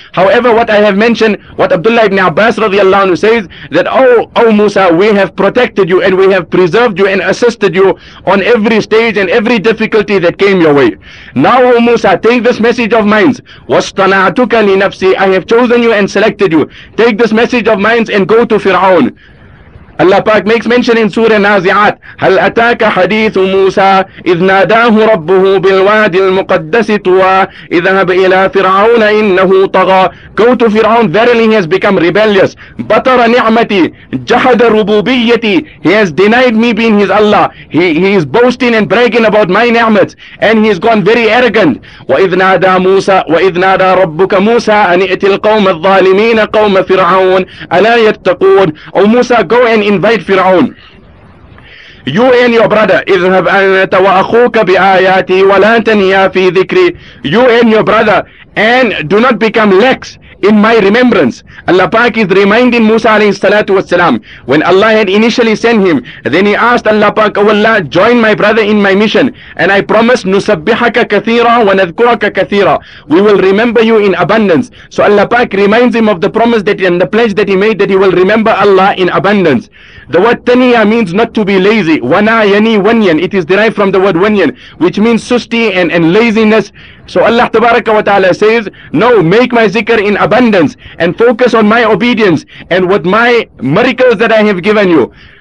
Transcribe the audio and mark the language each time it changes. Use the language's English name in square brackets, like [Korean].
[English] However, what I have mentioned, what Abdullah ibn Abbas radiallahu anhu says, that oh Musa, we have protected you and we have preserved you and assisted you on every stage and every difficulty that came your way. Now, oh Musa, take this message of mine. [Arabic] وَاصْطَنَعْتُكَ لِنَفْسِي. [English] I have chosen you and selected you. Take this message of mine and go to Fir'aun. Allah Pak makes mention in Surah Naziat, [Arabic] هَلْ أَتَاكَ حَدِيثُ مُوسَىٰ إِذْ نَادَاهُ رَبُّهُ بِالْوَادِ الْمُقَدَّسِ طُوَىٰ إِذْهَبْ إِلَىٰ فِرْعَوْنَ إِنَّهُ طَغَىٰ. [English] Go to Fir'aun, verily he has become rebellious. [Arabic] بَطَرَ نِعْمَتِي جَحَدَ رُبُوبِيَّتِي. [English] He has denied me being his Allah. He is boasting and bragging about my ni'mat. And he has gone very arrogant. [Arabic] وَإِذْ نَادَىٰ مُوسَىٰ وَإِذْ نَادَىٰ رَبُّكَ مُوسَىٰ أَنِئْتِ الْقَوْمَ الظَّالِمِينَ قَوْمَ فِرْعَوْنَ أَلَا يَتَّقُونَ. [English] Oh Musa, go and invite Fir'aun. You and your brother, [Arabic] اذهب أنت وأخوك بآياتي ولا تنيا في ذكري. [English] You and your brother, and do not become lax in my remembrance. Allah Pak is reminding Musa alayhi salatu wasalam. When Allah had initially sent him, then he asked Allah Pak, oh Allah, join my brother in my mission. And I promise, [Arabic] نُسَبِّحَكَ كَثِيرًا وَنَذْكُرَكَ كَثِيرًا. [English] We will remember you in abundance. So Allah Pak reminds him of the promise that and the pledge that he made, that he will remember Allah in abundance. The word taniya means not to be lazy. Wana yani wanyan. It is derived from the word wanyan, which means susti and laziness. So Allah Tabaraka wa Ta'ala says, no, make my zikr in abundance and focus on my obedience and with my miracles that I have given you.